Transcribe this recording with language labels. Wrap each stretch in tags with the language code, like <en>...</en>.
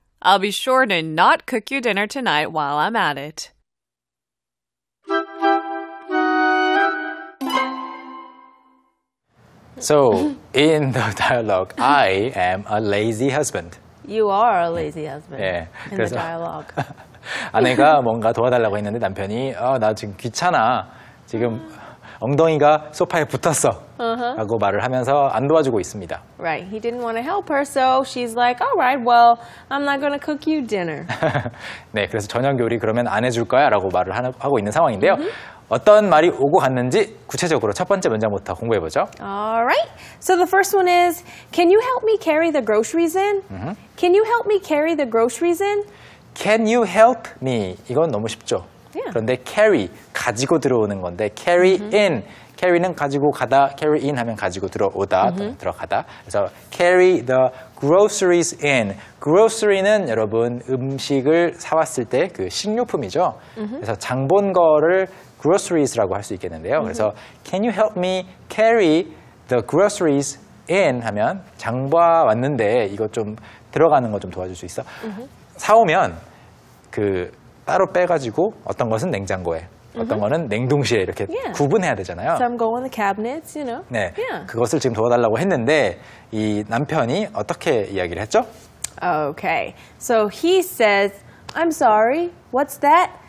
<en>I'll be sure to not cook you dinner tonight while I'm at it. So, in the dialogue, I am a lazy husband. You are a lazy husband in the dialogue.</en> <ko>아내가 뭔가 도와달라고 했는데 남편이 나 지금 귀찮아. 지금 엉덩이가 소파에 붙었어 라고 말을 하면서 안 도와주고 있습니다.</ko> <en>Right. He didn't want to help her, so she's like, all right, well, I'm not going to cook you dinner.</en> <ko>네, 그래서 저녁 요리 그러면 안 해줄 거야 라고 말을 하고 있는 상황인데요. 어떤 말이 오고 갔는지 구체적으로 첫 번째 문장부터 공부해보죠.</ko> <en>All right. So the first one is, can you help me carry the groceries in? Can you help me carry the groceries in? Can you help me?</en> <ko>이건 너무 쉽죠.</ko> <en>Yeah.</en> <ko>그런데 carry, 가지고 들어오는 건데 carry in, carry는 가지고 가다, carry in 하면 가지고 들어오다, 들어가다. 그래서</ko> <en>carry the groceries in.</en> <ko>Grocery는 여러분 음식을 사왔을 때 그 식료품이죠. 그래서 장본 거를 groceries라고 할 수 있겠는데요. 그래서</ko> <en>can you help me carry the groceries in</en> <ko>하면 장봐 왔는데 이거 좀 들어가는 거 좀 도와줄 수 있어? 사오면 그 따로 빼가지고 어떤 것은 냉장고에, 어떤 mm-hmm. 거는 냉동실에 이렇게 yeah. 구분해야 되잖아요.</ko> <en>Some go in the cabinets, you know. 네, yeah.</en> <ko>그것을 지금 도와달라고 했는데 이 남편이 어떻게 이야기를 했죠?</ko> <en>Okay, so he says, I'm sorry, what's that?</en>